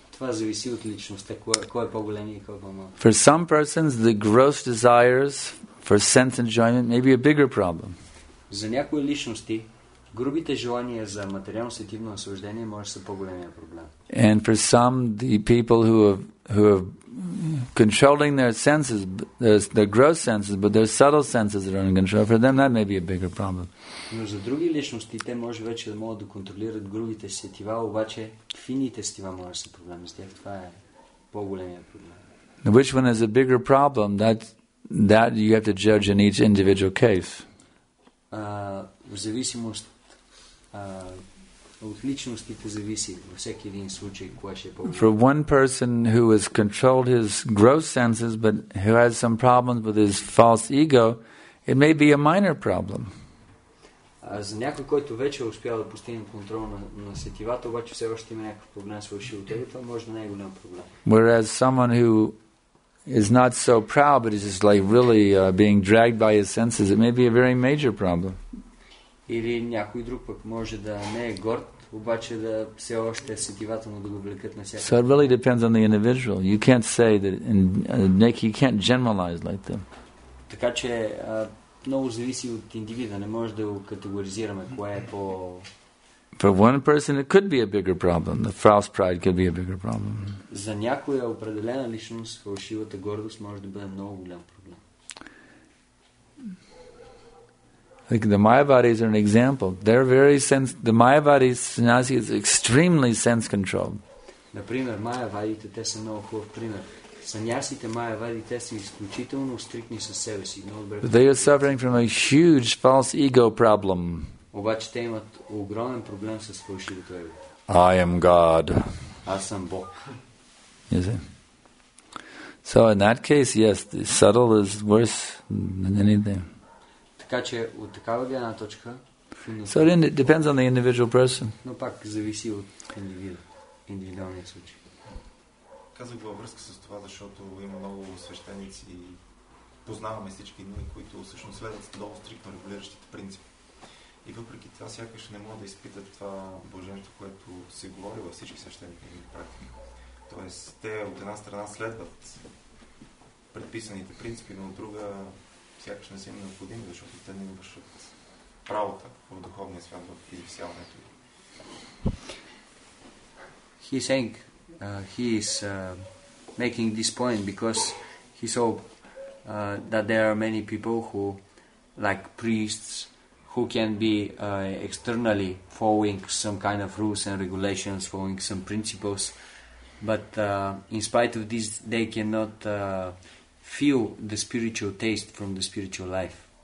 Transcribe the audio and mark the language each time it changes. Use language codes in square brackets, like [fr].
[bg] Това зависи от личността, кой е по-голем и кой е по-малък. [en] For some persons, the gross desires for sense enjoyment may be a bigger problem. [bg] За някои личности, грубите желания за материално-сетивно наслаждение може да са по-големия проблем. [en] And for some, the people who have controlling their senses, their gross senses, but their subtle senses are uncontrolled, for them that may be a bigger problem. [bg] Но за други личности те може вече да могат да контролират грубите сетива, обаче фините сетива може да са проблем. С тях това е по-големия проблем. [en] Which one is a bigger problem? That you have to judge in each individual case. [bg] В зависимост от личностите зависи във всеки един случай кое ще е по-голем. [en] For one person who has controlled his gross senses but who has some problems with his false ego, it may be a minor problem. [bg] За някой, който вече е успял да постигне контрол на сетивата, обаче все още има някакъв проблем с вълшивото его, това може да не е голям проблем. [en] Whereas someone who is not so proud, but is just like really being dragged by his senses, it may be a very major problem. [bg] Или някой друг пък може да не е горд, обаче да все още сетивата му да го влекат на всяка. [en] So it really depends on the individual. You can't say that, you can't generalize like that. [bg] Така че много зависи от индивида, не може да го категоризираме кое е по... [en] For one person it could be a bigger problem. The false pride could be a bigger problem. [bg] За някоя определена личност фалшивата гордост може да бъде много голям проблем. [en] Like the Mayavadis are an example. They're very sense, the Mayavadis sannyasi is extremely sense controlled. [bg] Например, Mayavadite, те са много хубав пример. Санясите Mayavadi, те са изключително стриктни със себе си. [en] They are suffering from a huge false ego problem. [bg] Обаче те имат огромен проблем с фалшивото его. [en] I am God. [bg] Аз съм Бог. [en] Is it? So in that case, yes, the subtle is worse than anything. [bg] Така че от такава гледна точка. [en] So then it depends on the individual person. [bg] Но пак зависи от индивида, индивидуалния случай. Казах във връзка с това, защото има много свещеници и познаваме всички дни, които всъщност следват много стриктно регулиращите принципи. И въпреки това, сякаш не мога да изпитат това блаженство, което се говори във всички свещеници и практики. Тоест, те от една страна следват предписаните принципи, но от друга сякаш не са им необходими, защото те не вършат правота в духовния свят, в изявяването им. [en] He is making this point because he saw that there are many people who, like priests, who can be externally following some kind of rules and regulations, following some principles, but in spite of this, they cannot feel the spiritual taste from the spiritual life.